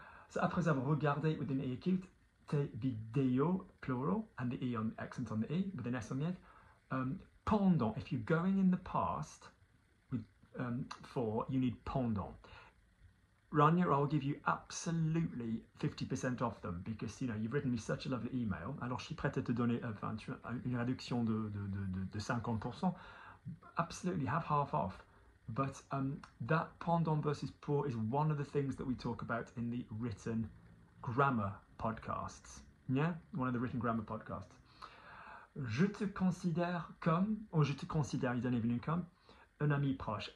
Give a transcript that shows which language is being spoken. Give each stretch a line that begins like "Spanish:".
English: So
French: après avoir regardé
English: with an e acute,
French: tes vidéos,
English: plural, and the e on accent on the e, with an s on the end. Pendant, if you're going in the past, with for, you need pendant. Ranya, I'll give you absolutely 50% off them because you know you've written me such a lovely email.
French: Alors, je suis prête à te donner une réduction de 50%.
English: Absolutely, have half off. But that pendant versus pour is one of the things that we talk about in the written grammar podcasts. Yeah, one of the written grammar podcasts.
French: Je te considère comme,
English: or
French: je te considère,
English: you don't even come.
French: Un ami proche.